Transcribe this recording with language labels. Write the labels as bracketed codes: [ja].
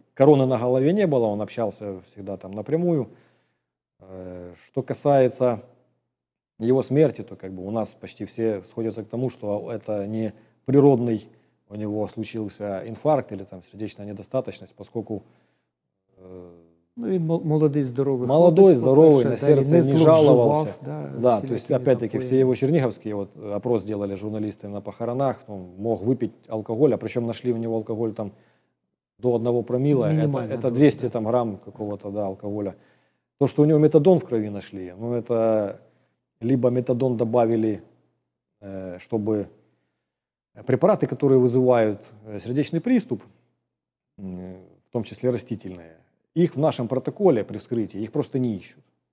[ru] Короны на голове не было, он общался всегда там напрямую. Что касается его смерти, то как бы у нас почти все сходятся к тому, что это не природный у него случился инфаркт или там сердечная недостаточность, поскольку... [uk] Ну, він молодий, здоровий. Молодий, здоровий, на серце не жалувався. [ru] Да, [uk] да, то есть, опять-таки, всі його чернігівські, от, опрос зробили журналісти на похоронах, там, мог випити алкоголь, а причому знайшли в нього алкоголь там [ru] до 1 промилла, это 200 там, грамм какого-то да, алкоголя. То, что у него метадон в крови нашли, ну это либо метадон добавили, чтобы препараты, которые вызывают сердечный приступ, в том числе растительные, их в нашем протоколе при вскрытии, их просто не ищут.